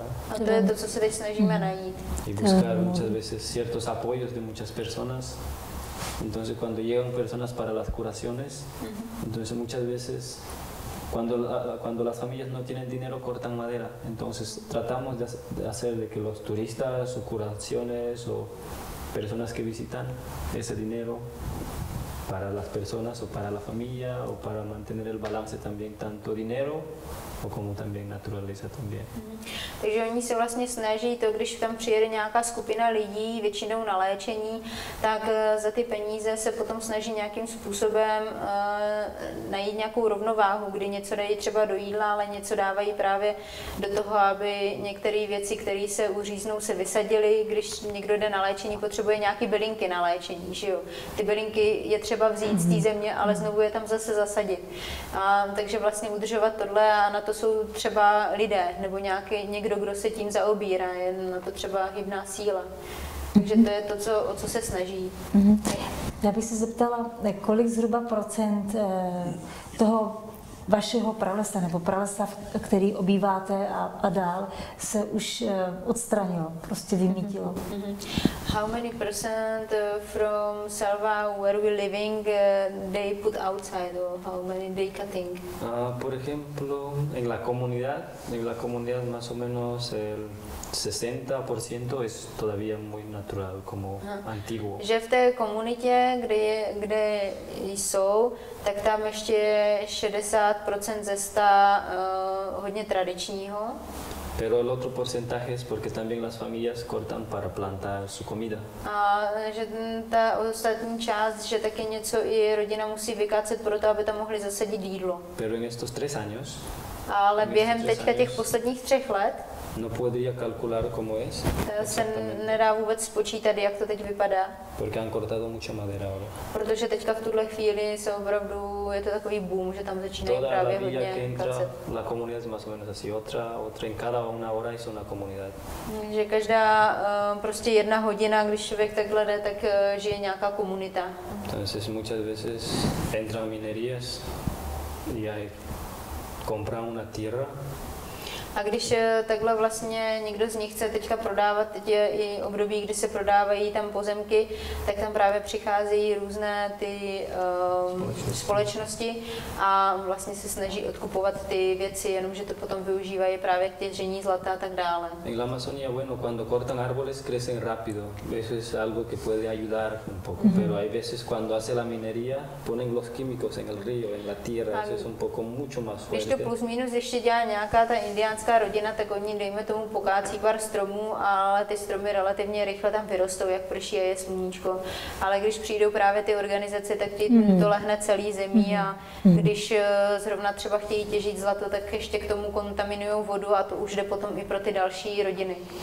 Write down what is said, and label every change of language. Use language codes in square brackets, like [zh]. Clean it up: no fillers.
[cs] A to je to, co se teď snažíme najít. [es] I buscar muchas veces ciertos apoyos de muchas personas. Entonces cuando llegan personas para las curaciones, entonces muchas veces cuando las familias no tienen dinero cortan madera. Entonces tratamos de hacer de que los turistas o curaciones o personas que visitan ese dinero para las personas o para la familia o para mantener el balance también tanto dinero o cómo también naturaleza también. [cs] Takže oni se vlastně snaží to, když tam přijede nějaká skupina lidí, většinou na léčení, tak za ty peníze se potom snaží nějakým způsobem najít nějakou rovnováhu, kdy něco dají třeba do jídla, ale něco dávají právě do toho, aby některé věci, které se uříznou, se vysadily. Když někdo jde na léčení, potřebuje nějaké bylinky na léčení, že jo? Ty bylinky je třeba vzít z té země, ale znovu je tam zase zasadit. Takže vlastně udržovat tohle, a na to jsou třeba lidé nebo nějaký někdo, kdo se tím zaobírá, je na to třeba hybná síla. Takže to je to, co, o co se snaží. Já bych se zeptala, kolik zhruba procent toho vašeho pralesa nebo pralesa, který obýváte a dál, se už odstranilo, prostě vymítilo. [en] How many percent from selva where we living they put outside or how many they cutting? [es] Por ejemplo, en la comunidad más o menos el 60% es todavía muy natural como antiguo. [cs] Že v té komunitě, kde jsou, tak tam ještě 60% ze 100 hodně tradičního. [es] Pero el otro porcentaje es porque también las familias cortan para plantar su comida. [cs] A že ta ostatní část, že taky něco i rodina musí vykácet pro to, aby tam mohli zasadit jídlo. [es] Pero en estos tres años. [cs] Ale během teďka těch posledních třech let. [es] No podría calcular cómo es. [cs] Se nedá vůbec spočítat, jak to teď vypadá. [es] Porque han cortado mucha madera ahora. [cs] Protože teďka v tuhle chvíli se opravdu, je to takový boom, že tam začínají [es] toda [cs] právě hodně kacet. [es] La comunidad es más o menos así, otra en cada una hora es una comunidad. [cs] Že každá prostě jedna hodina, když člověk takhle jde, tak žije nějaká komunita. [es] Entonces muchas veces entran minerías y hay compra una tierra. [cs] A když takhle vlastně někdo z nich chce teďka prodávat, teď je i období, kdy se prodávají tam pozemky, tak tam právě přicházejí různé ty společnosti a vlastně se snaží odkupovat ty věci, jenomže to potom využívají právě k těžení zlata a tak dále. [es] En la Amazonia, bueno, cuando cortan árboles crecen rápido. Eso es algo que puede ayudar un poco, pero hay veces cuando hace la minería ponen los químicos en el río, en la tierra, eso es un poco mucho más fuerte. [cs] Když to plus minus ještě dělá nějaká ta indiánská rodina, tak oni, dejme tomu, pokácí pár stromů, ale ty stromy relativně rychle tam vyrostou, jak prší a je sluníčko. Ale když přijdou právě ty organizace, tak ti to lehne celý zemí a když zrovna třeba chtějí těžit zlato, tak ještě k tomu kontaminují vodu a to už jde potom i pro ty další rodiny.